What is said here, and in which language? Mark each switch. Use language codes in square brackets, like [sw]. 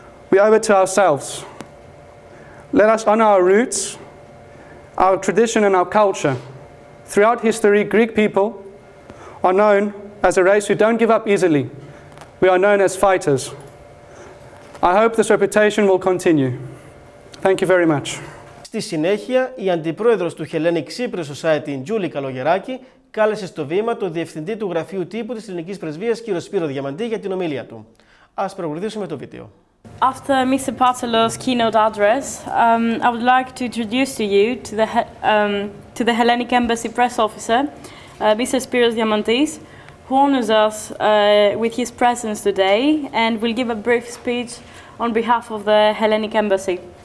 [en] We owe it to ourselves. Let us honor our roots, our tradition, and our culture. Throughout history, Greek people are known as a race who don't give up easily. We are known as fighters. I hope this reputation will continue. Thank you very much. [el] Στη συνέχεια, η αντιπρόεδρος του Hellenic Cyprus Society, Τζούλη Καλογεράκη, κάλεσε στο βήμα τον διευθυντή του γραφείου τύπου της Ελληνικής Πρεσβείας, κύριο Σπύρο Διαμαντή, για την ομιλία του. Ας προχωρήσουμε το βίντεο. [en] After Mr. Patsalos's keynote address, I would like to introduce to you to the Hellenic Embassy press officer, Mr. Spiros Diamantis, who honors us with his presence today and will give a brief speech on behalf of the Hellenic Embassy.